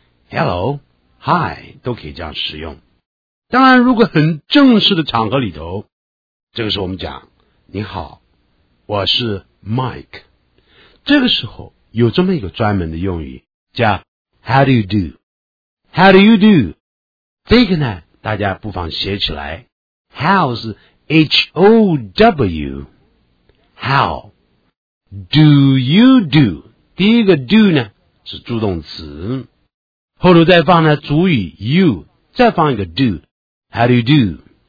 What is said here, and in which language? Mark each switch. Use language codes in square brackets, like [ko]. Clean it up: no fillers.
[zh] Hello, Hi, 都可以这样使用。当然如果很正式的场合里头，这个时候我们讲，你好，我是Mike， 这个时候有这么一个专门的用语叫 [en] How do you do? How do you do? [zh] 这个呢大家不妨写起来， How 是 H-O-W， [en] How Do you do? [zh] 第一个 do 呢是助动词，后头再放呢主语 you， 再放一个 do， [en] How do you do?